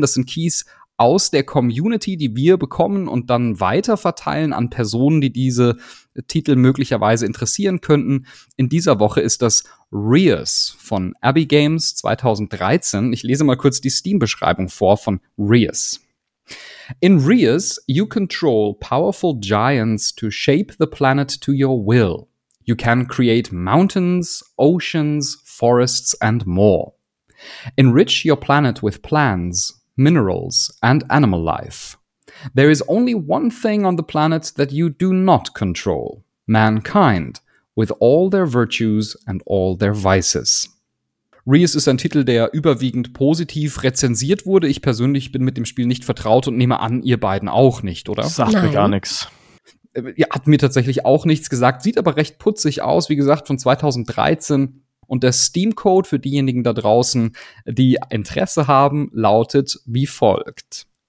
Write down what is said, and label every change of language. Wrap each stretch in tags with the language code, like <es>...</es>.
<de>Das sind Keys aus der Community, die wir bekommen und dann weiter verteilen an Personen, die diese Titel möglicherweise interessieren könnten. In dieser Woche ist das Rears von Abbey Games 2013. Ich lese mal kurz die Steam-Beschreibung vor von Rears.</de> <en>In Rears, you control powerful giants to shape the planet to your will. You can create mountains, oceans, forests and more. Enrich your planet with plants, minerals and animal life. There is only one thing on the planet that you do not control. Mankind, with all their virtues and all their vices.</en> <de>Rias ist ein Titel, der überwiegend positiv rezensiert wurde. Ich persönlich bin mit dem Spiel nicht vertraut und nehme an, ihr beiden auch nicht, oder? Sagt mir gar nichts. Ja, hat mir tatsächlich auch nichts gesagt. Sieht aber recht putzig aus, wie gesagt, von 2013. Und der Steam-Code für diejenigen da draußen, die Interesse haben, lautet wie folgt.</de>